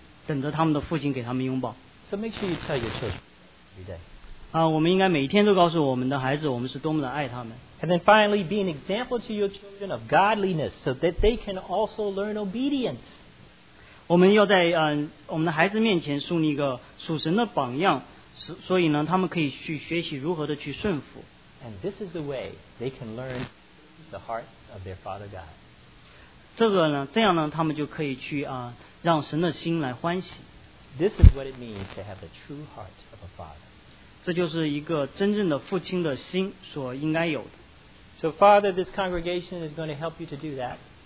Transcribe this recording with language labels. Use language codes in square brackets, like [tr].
[zh] 第二天在那个时间有五万五千的孩子们在那个市中心等着他们的父亲给他们拥抱。 [en] So make sure you tell your children every day. [zh] 我们应该每天都告诉我们的孩子我们是多么的爱他们。 [en] And then finally, be an example to your children of godliness so that they can also learn obedience. [zh] 我们要在我们的孩子面前树立一个属神的榜样，所以呢，他们可以去学习如何的去顺服。 [en] And this is the way they can learn the heart of their father God. [zh] 这个呢，这样呢，他们就可以去让神的心来欢喜。 [en] This is what it means to have the true heart of a father. [zh] 这就是一个真正的父亲的心所应该有的。 [en] So Father, this congregation is going to help you to do that.